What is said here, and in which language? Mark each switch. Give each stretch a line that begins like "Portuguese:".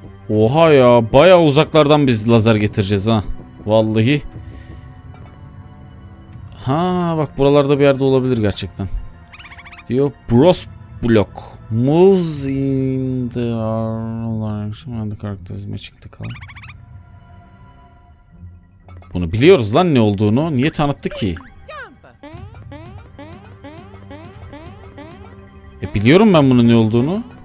Turkish: Oha ya, bayağı uzaklardan biz lazer getireceğiz ha. Vallahi. Ha bak, buralarda bir yerde olabilir gerçekten. Diyor Bros Block.
English: Moves in the direction of the characters matching.
Turkish: Bunu biliyoruz lan ne olduğunu. Niye tanıttı ki? Biliyorum ben bunun ne olduğunu.